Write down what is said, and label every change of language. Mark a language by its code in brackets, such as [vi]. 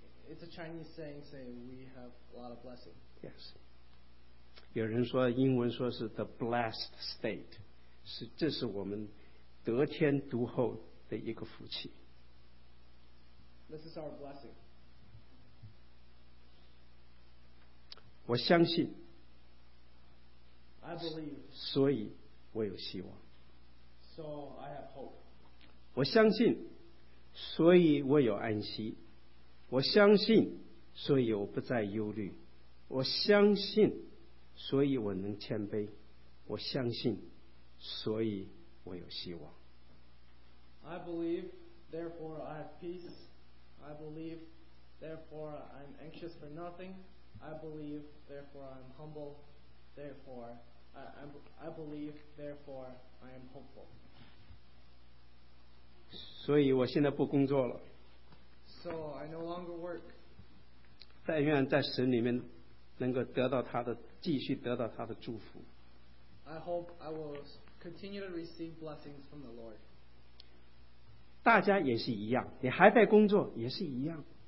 [en] It's a Chinese saying we have a lot of blessing. Yes. [zh] 有人说英文说是 [en] the blessed state， [zh] 是这是我们得天独厚的一个福气。 [en] This is our blessing。 [zh] 我相信。 [en] I believe。 [zh] 所以我有希望。 [en] So I have hope。 [zh] 我相信，所以我有安息。我相信，所以我不再忧虑。我相信。所以我能谦卑，我相信，所以我有希望。 [en] I believe, Therefore, I have peace. I believe. Therefore, I'm anxious for nothing. I believe. Therefore, I'm humble. Therefore, I believe. Therefore, I am hopeful. [zh] 所以我现在不工作了。 [en] So I no longer work. [zh] 但愿在神里面能够得到他的继续得到他的祝福。 [en] I hope I will continue to receive blessings from the Lord. [zh] 大家也是一样，你还在工作，也是一样。